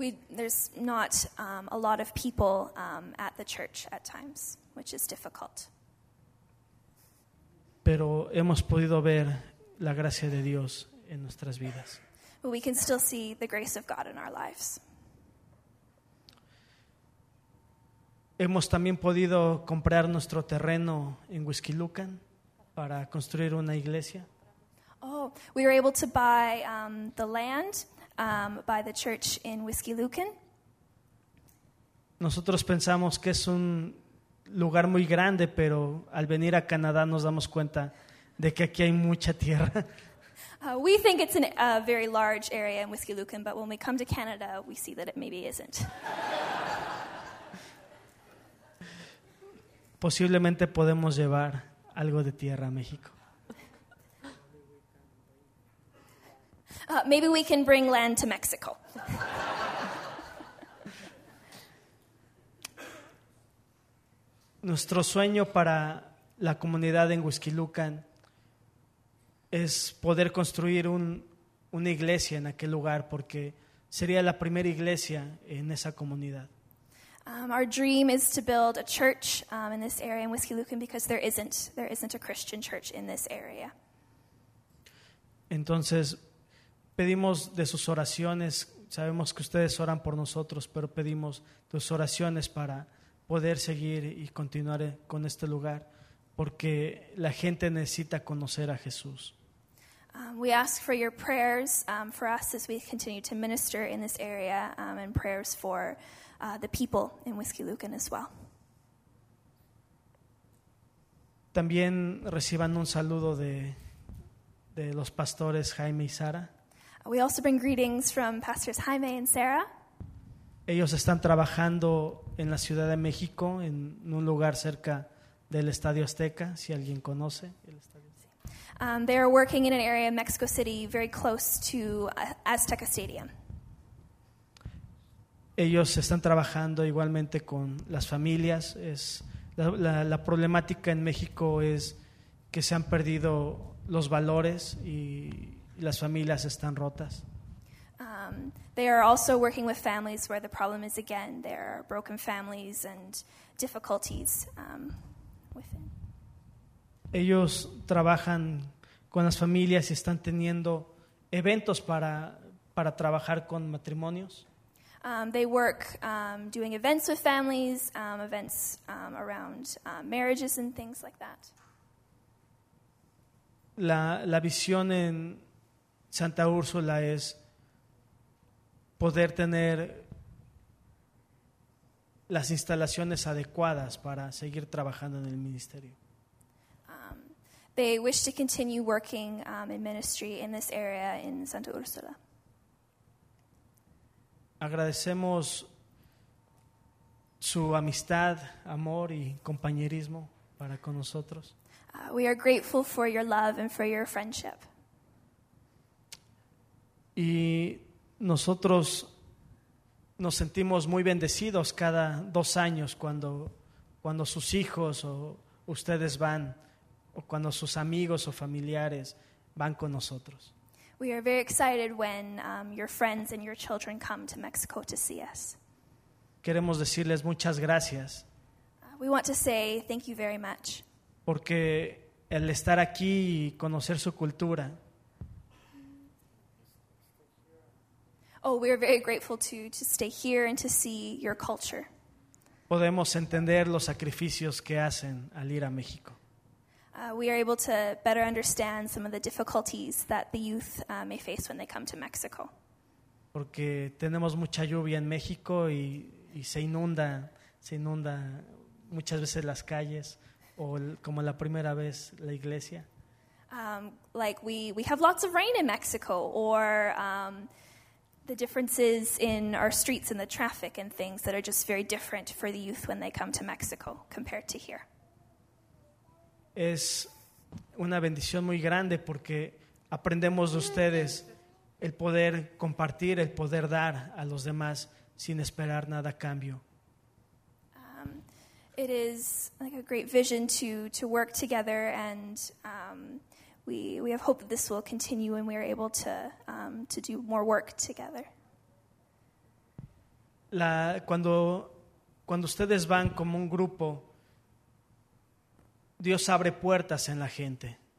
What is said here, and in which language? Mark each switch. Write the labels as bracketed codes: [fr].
[en] There's not a lot of people at the church at times, which is difficult. [es] Pero hemos podido ver la gracia de Dios en nuestras vidas. [en] But we can still see the grace of God in our lives. [es] Hemos también podido comprar nuestro terreno en Huixquilucan para construir una iglesia. [en] Oh, we were able to buy the land by the church in Huixquilucan. [es] Nosotros pensamos que es un lugar muy grande, pero al venir a Canadá nos damos cuenta de que aquí hay mucha tierra. [en] We think it's a very large area in Huixquilucan, but when we come to Canada, we see that it maybe isn't. [es] Posiblemente podemos llevar algo de tierra a México. [en] Maybe we can bring land to Mexico. [es] Nuestro sueño para la comunidad en Huixquilucan es poder construir una iglesia en aquel lugar porque sería la primera iglesia en esa comunidad. [en] Our dream is to build a church in this area in Huixquilucan because there isn't a Christian church in this area. [es] Entonces, pedimos de sus oraciones, sabemos que ustedes oran por nosotros, pero pedimos de sus oraciones para poder seguir y continuar con este lugar, porque la gente necesita conocer a Jesús. [en] We ask for your prayers for us as we continue to minister in this area and prayers for the people in Huixquilucan as well. [es] También reciban un saludo de los pastores Jaime y Sara. [en] We also bring greetings from Pastors Jaime and Sarah. [es] Ellos están trabajando en la Ciudad de México, en un lugar cerca del Estadio Azteca, si alguien conoce el Estadio Azteca. [en] They are working in an area in Mexico City, very close to Azteca Stadium. [es] Ellos están trabajando igualmente con las familias. Es la problemática en México es que se han perdido los valores y las familias están rotas. [en] They are also working with families where the problem is again there are broken families and difficulties within. [es] Ellos trabajan con las familias y están teniendo eventos para trabajar con matrimonios. [en] They work doing events with families, events around marriages and things like that. [es] La visión en Santa Úrsula es poder tener las instalaciones adecuadas para seguir trabajando en el ministerio. [en] They wish to continue working in ministry in this area in Santa Úrsula. [es] Agradecemos su amistad, amor y compañerismo para con nosotros. [en] We are grateful for your love and for your friendship. [es] Y nosotros nos sentimos muy bendecidos cada dos años cuando sus hijos o ustedes van o cuando sus amigos o familiares van con nosotros. [en] We are very excited when your friends and your children come to Mexico to see us. [es] Queremos decirles muchas gracias. [en] We want to say thank you very much. [es] Porque el estar aquí y conocer su cultura. [en] Oh, we are very grateful to stay here and to see your culture. [es] Podemos entender los sacrificios que hacen al ir a México. [en] We are able to better understand some of the difficulties that the youth may face when they come to Mexico. [es] Porque tenemos mucha lluvia en México y se inunda muchas veces las calles o como la primera vez la iglesia. [en] We have lots of rain in Mexico, or the differences in our streets and the traffic and things that are just very different for the youth when they come to Mexico compared to here. [es] Es una bendición muy grande porque aprendemos de ustedes el poder compartir, el poder dar a los demás sin esperar nada a cambio. [en] It is like a great vision to work together, and we have hope that this will continue and we are able to do more work together. [es] Cuando ustedes van como un grupo, Dios abre puertas en la gente.